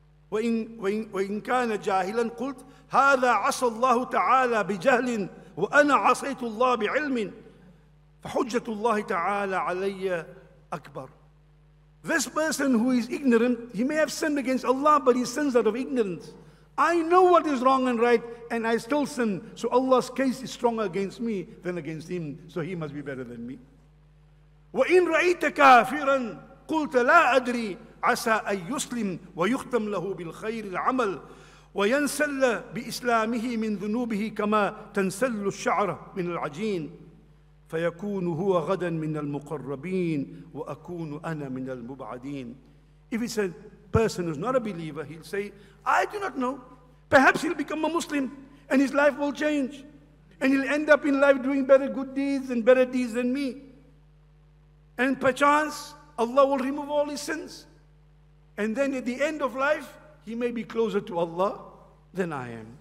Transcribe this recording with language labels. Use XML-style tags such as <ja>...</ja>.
<ar>وَإِن كَانَ جَاهِلًا قُلْتُ هَذَا عَصَى اللَّهُ تَعَالَى بِجَهْلٍ وَأَنَا عَصَيْتُ اللَّهَ بِعِلْمٍ فَحُجَّةُ اللَّهِ تَعَالَى عَلَيَّ أَكْبَرٌ.</ar> <en>This person who is ignorant, he may have sinned against Allah, but he sins out of ignorance. I know what is wrong and right, and I still sin. So Allah's case is stronger against me than against him, so he must be better than me.</en> <ar>وَإِن رَأَيْتَ كَافِرًا قُلْتَ لَا أَدْرِي عَسَى أَن يُسْلِمْ وَيُخْتَمْ لَهُ بِالْخَيْرِ الْعَمَلِ وَيَنْسَلَّ بِإِسْلَامِهِ مِنْ ذُنُوبِهِ كَمَا تَنْسَلُّ الشَّعْرَ مِنْ الْعَجِينِ فَيَكُونُ هُوَ غَدًا مِنَ الْمُقَرَّبِينَ وَأَكُونُ أَنَا مِنَ الْمُبْعَدِينَ.</ar> <en>If it's a person who's not a believer, he'll say, I do not know. Perhaps he'll become a Muslim and his life will change. And he'll end up in life doing better good deeds and better deeds than me. And perchance, Allah will remove all his sins. And then at the end of life, he may be closer to Allah than I am.</en>